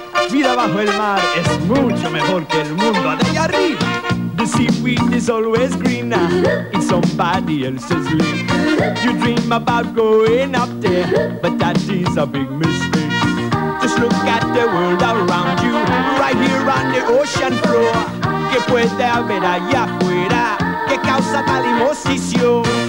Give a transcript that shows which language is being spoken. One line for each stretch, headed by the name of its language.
Spanish: Vida bajo el mar es mucho mejor que el mundo de allá arriba.
English: The seaweed is always greener in somebody else's lake. You dream about going up there, but that is a big mistake. Just look at the world around you, right here on the ocean floor.
Spanish: ¿Qué puede haber allá afuera que causa tal emoción?